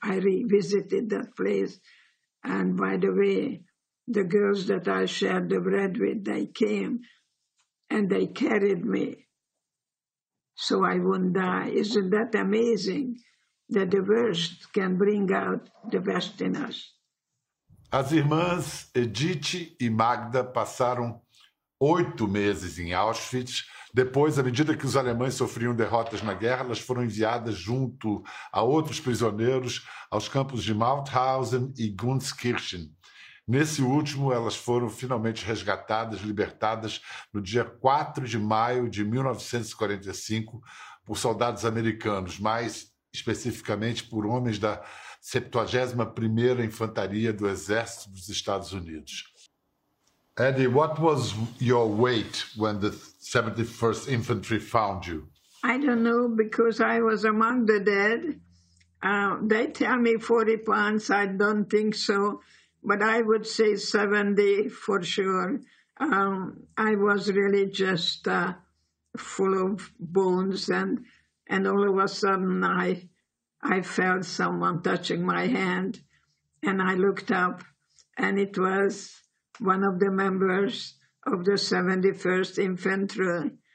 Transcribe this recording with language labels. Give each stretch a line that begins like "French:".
English: I revisited that place. And by the way, the girls that I shared the bread with, they came and they carried me so I wouldn't die. Isn't that amazing that the worst can bring out the best in us?
Portuguese: As irmãs Edith e Magda passaram 8 meses em Auschwitz. Depois, à medida que os alemães sofriam derrotas na guerra, elas foram enviadas junto a outros prisioneiros aos campos de Mauthausen e Gunskirchen. Nesse último, elas foram finalmente resgatadas, libertadas, no dia 4 de maio de 1945, por soldados americanos, mais especificamente por homens da 71ª Infantaria do Exército dos Estados Unidos.
English: Eddie, what was your weight when the 71st Infantry found you? I don't know, because I was among the dead. They tell me 40 pounds. I don't think so. but I would say 70 for sure. I was really just full of bones, and all of a sudden I felt someone touching my hand, and I looked up, and it was one of the members of the 71st Infantry.